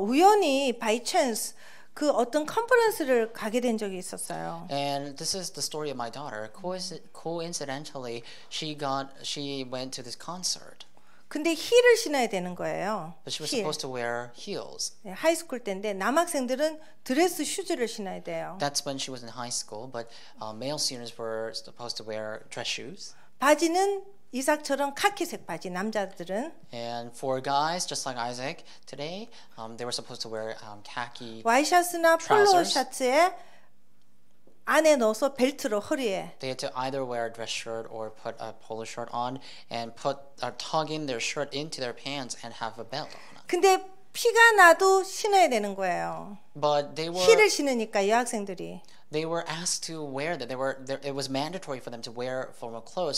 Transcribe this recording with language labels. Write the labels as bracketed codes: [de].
[ko] 우연히 [en] by chance [ko] 그 어떤 컨퍼런스를 가게 된 적이 있었어요. [en] And this is the story of my daughter. Coincidentally, she went to this concert. [ko] 근데 힐을 신어야 되는 거예요. [en] But she was supposed to wear heels. [ko] 네, 하이스쿨 때인데 남학생들은 드레스 슈즈를 신어야 돼요. [en] That's when she was in high school, but male seniors were supposed to wear dress shoes. [ko] 바지는 이삭처럼 카키색 바지 남자들은 [en] And for guys just like Isaac today they were supposed to wear khaki [ko] 와이셔츠나 폴로 셔츠에 안에 넣어서 벨트로 허리에 [en] They had to either wear a dress shirt or put a polo shirt on and put or tug in their shirt into their pants and have a belt on. [ko] 근데 피가 나도 신어야 되는 거예요. [en] But they were [ko] 힐을 신으니까 여학생들이 [en] They were asked to wear that. It was mandatory for them to wear formal clothes.